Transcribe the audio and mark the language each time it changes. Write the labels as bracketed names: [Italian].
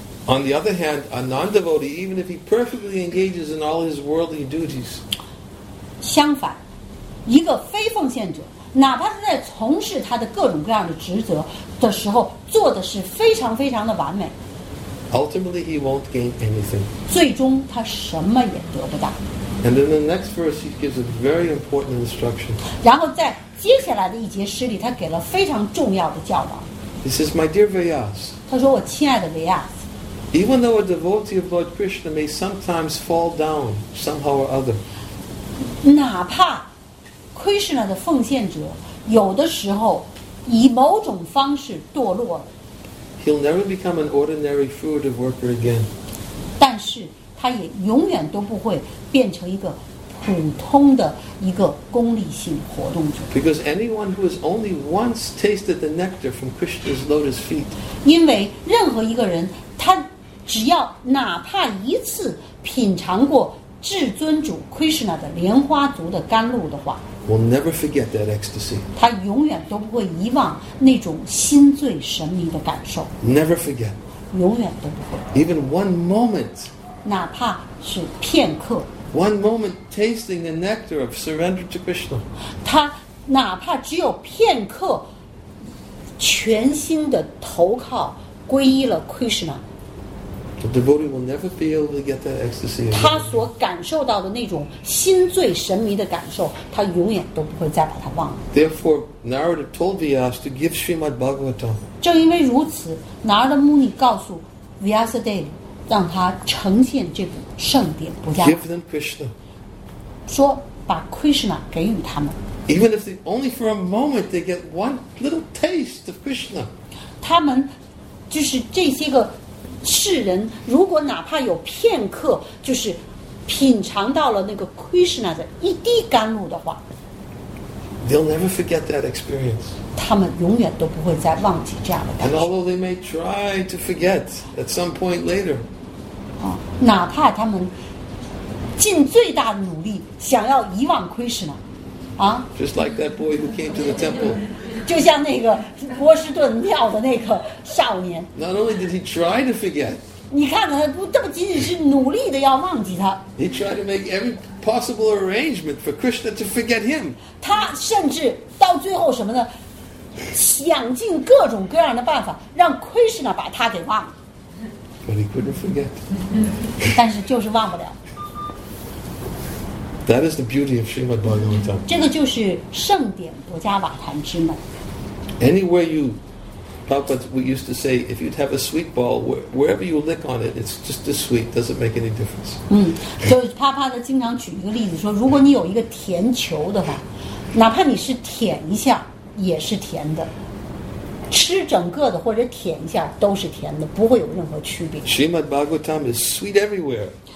[English] ，On the other hand, a non-devotee, even if he perfectly engages in all his worldly duties, [Chinese] 相反，一个非奉献者，哪怕他在从事他的各种各样的职责的时候，做的是非常非常的完美。 [English] Ultimately, he won't gain anything. [Chinese] 最终，他什么也得不到。 [English] And in the next verse, he gives a very important instruction. [Chinese] 然后在接下来的一节诗里，他给了非常重要的教导。 [English] He says, "My dear Vyas." [Chinese] 他说，我亲爱的 Vyas. [English] Even though a devotee of Lord Krishna may sometimes fall down somehow or other, [Chinese] 哪怕 Krishna 的奉献者有的时候以某种方式堕落了， [English] he'll never become an ordinary fruitive worker again. [Chinese] 但是他也永远都不会变成一个普通的一个功利性活动者。 [English] Because anyone who has only once tasted the nectar from Krishna's lotus feet, [Chinese] 因为任何一个人，他只要哪怕一次品尝过至尊主 Krishna 的莲花足的甘露的话， [English] will never forget that ecstasy. [Chinese] 他永远都不会遗忘那种心醉神迷的感受。 [English] Never forget. [Chinese] 永远都不会。 [English] Even one moment. [Chinese] 哪怕是片刻 [English] ，One moment tasting the nectar of surrender to Krishna， [Chinese] 他哪怕只有片刻，全心的投靠皈依了 Krishna。 [English] The devotee will never be able to get that ecstasy. [Chinese] 他所感受到的那种心醉神迷的感受，他永远都不会再把它忘了。 [English] Therefore, Narada told Vyas to give Srimad Bhagavatam. [Chinese] 正因为如此 ，Narada Muni 告诉 Vyasadeva。让他呈现这部圣典不加。 [English] Give them Krishna. [Chinese] 说把 Krishna 给予他们。 [English] Even if they only for a moment they get one little taste of Krishna. [Chinese] 他们就是这些个世人，如果哪怕有片刻，就是品尝到了那个 Krishna 的一滴甘露的话。 [English] They'll never forget that experience. [Chinese] 他们永远都不会再忘记这样的感受。 [English] And although they may try to forget at some point later, [Chinese] 哪怕他们尽最大的努力想要遗忘 Krishna, [English] Just like that boy who came to the temple. [Chinese] 就像那个波士顿庙的那个少年。 [English] Not only did he try to forget, [Chinese] 你看看，不，这不仅仅是努力的要忘记他。 [English] He tried to make every possible arrangement for Krishna to forget him. [Chinese] 他甚至到最后什么呢？想尽各种各样的办法，让 Krishna 把他给忘了。 [English] But he couldn't forget. [Chinese] 但是就是忘不了。 [English] That is the beauty of Srimad Bhagavatam. [Chinese] 这个就是圣典薄伽瓦坛之门。 [English] Anywhere you, Prabhupada, we used to say, if you'd have a sweet ball, wherever you lick on it, it's just as sweet. Doesn't make any difference. [Chinese] 嗯，所以帕帕的经常举一个例子说，如果你有一个甜球的话，哪怕你是舔一下，也是甜的。吃整个的或者舔一下都是甜的，不会有任何区别。 [English] Srimad Bhagavatam is sweet everywhere.